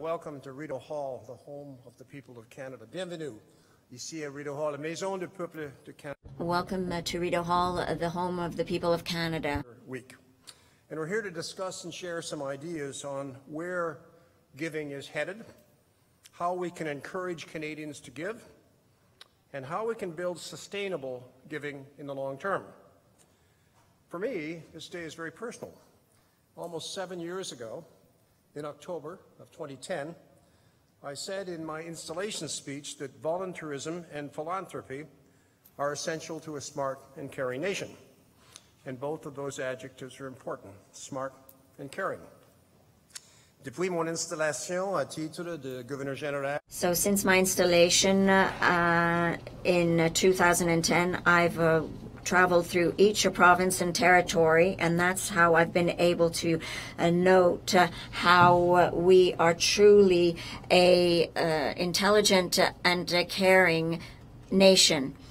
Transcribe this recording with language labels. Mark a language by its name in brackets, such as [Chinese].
[English] Welcome to Rideau Hall, the home of the people of Canada. [French] Bienvenue ici à Rideau Hall, la maison du peuple de Canada. [English] Welcome to Rideau Hall, the home of the people of Canada. Week. And we're here to discuss and share some ideas on where giving is headed, how we can encourage Canadians to give, and how we can build sustainable giving in the long term. For me, this day is very personal. Almost 7 years ago, in October of 2010, I said in my installation speech that volunteerism and philanthropy are essential to a smart and caring nation. And both of those adjectives are important, smart and caring. [French] Depuis mon installation à titre de gouverneur général. [English] So since my installation in 2010, I've traveled through each province and territory, and that's how I've been able to note how we are truly a intelligent and a caring nation.